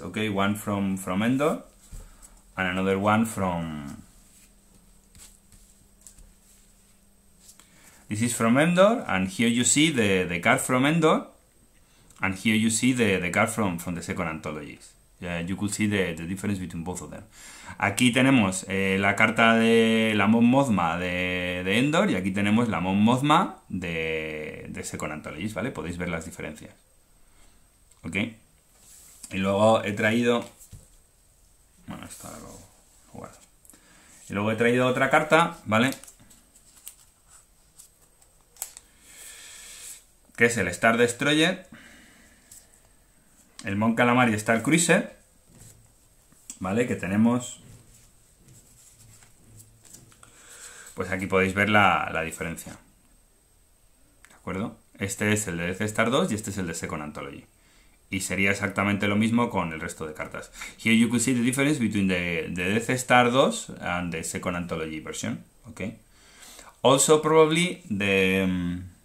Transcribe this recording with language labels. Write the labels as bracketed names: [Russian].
[English] Okay, one from Endor, and another one from. This is from Endor, and here you see the card from Endor, and here you see the card from the Second Anthologies. You could see the difference between both of them. [Spanish] Aquí tenemos la carta de la Mon Mothma de Endor, y aquí tenemos la Mon Mothma de Second Anthologies, ¿vale? Podéis ver las diferencias. ¿Ok? Y luego he traído. Bueno, esto lo guardo. Y luego he traído otra carta, ¿vale? Que es el Star Destroyer, el Mon Calamari Star Cruiser, ¿vale? Que tenemos. Pues aquí podéis ver la diferencia. ¿De acuerdo? Este es el de Death Star 2 y este es el de Second Anthology. Y sería exactamente lo mismo con el resto de cartas. [English] Here you could see the difference between the Death Star 2 and the Second Anthology version. ¿Ok? Also, probably the.